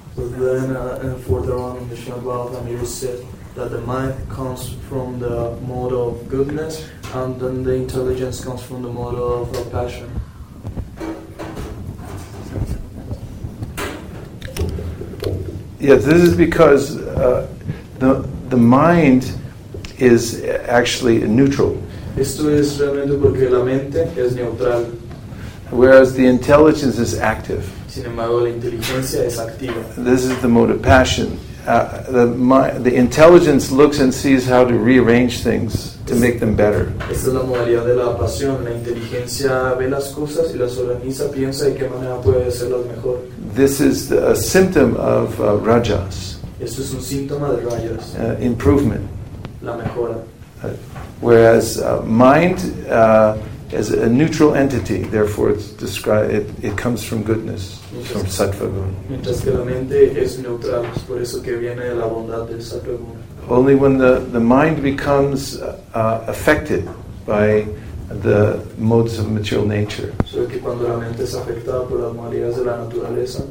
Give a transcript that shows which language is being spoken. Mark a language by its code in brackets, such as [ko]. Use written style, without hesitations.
[en] But then, further on in the Srimad Bhagavatam, it was said that the mind comes from the mode of goodness, and then the intelligence comes from the mode of passion. Yes, this is because the mind is actually neutral. [es] Esto es realmente porque la mente es neutral. [en] Whereas the intelligence is active. [es] Sin embargo, la inteligencia es activa. [en] This is the mode of passion. The intelligence looks and sees how to rearrange things to make them better. [es] Esta es la modalidad de la pasión. La inteligencia ve las cosas y las organiza, piensa de qué manera puede hacerlas mejor. [en] This is a symptom of rajas. [es] Esto es un síntoma de rajas. [en] Improvement. [es] La mejora. [en] Whereas mind is a neutral entity, therefore it's described, it comes from goodness, [es] mientras, [en] from sattva-guna. [es] Mientras que la mente es neutral, es por eso que viene de la bondad del sattva-guna. [en] Only when the mind becomes affected by the modes of material nature, [es] solo que cuando la mente es afectada por las modalidades de la naturaleza,